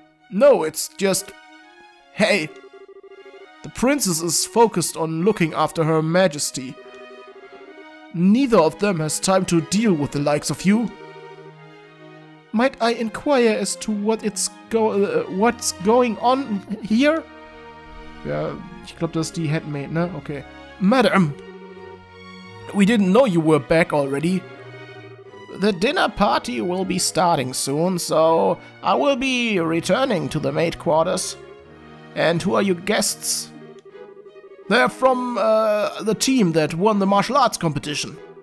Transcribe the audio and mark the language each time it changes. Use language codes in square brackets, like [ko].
[en] No, it's just... Hey! The princess is focused on looking after Her Majesty. Neither of them has time to deal with the likes of you. Might I inquire as to what it's what's going on here? [de] Ja, ich glaube, das ist die Handmaid, ne? [en] Okay. Madam, we didn't know you were back already. The dinner party will be starting soon, so I will be returning to the maid quarters. And who are your guests? They're from the team that won the martial arts competition.